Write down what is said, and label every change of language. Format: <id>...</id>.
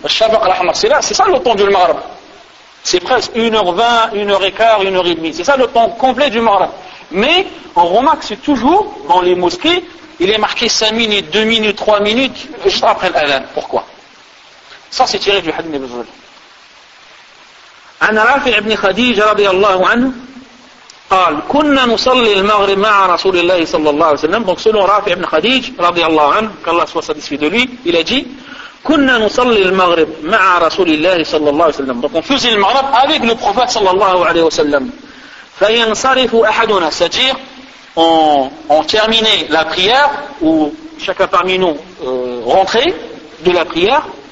<fr>C'est ça le temps du maghrib. C'est presque 1h20, 1h15, 1h30. C'est ça le temps complet du maghrib. Mais on remarque que c'est toujours dans les mosquées, il est marqué 5 minutes, 2 minutes, 3 minutes, juste après l'adhan. Pourquoi? Ça, c'est tiré du hadith ibn Zulay.</fr> <ar>An Rafi' ibn Khadija radiallahu anhu, قال كنا نصلي المغرب مع رسول الله صلى الله عليه وسلم.</ar> <fr>Donc selon Rafi' ibn Khadija radiallahu anhu, qu'Allah soit satisfait de lui, il a dit</fr> <ar>كنا نصلي المغرب مع رسول الله صلى الله عليه وسلم.</ar> <fr>Donc on faisait le maghrib avec le prophète</fr> <ar>صلى الله عليه وسلم. فينصرف أحدنا,</ar> <fr>c'est-à-dire on terminait la prière ou chacun parmi nous rentrait de la prière.</fr>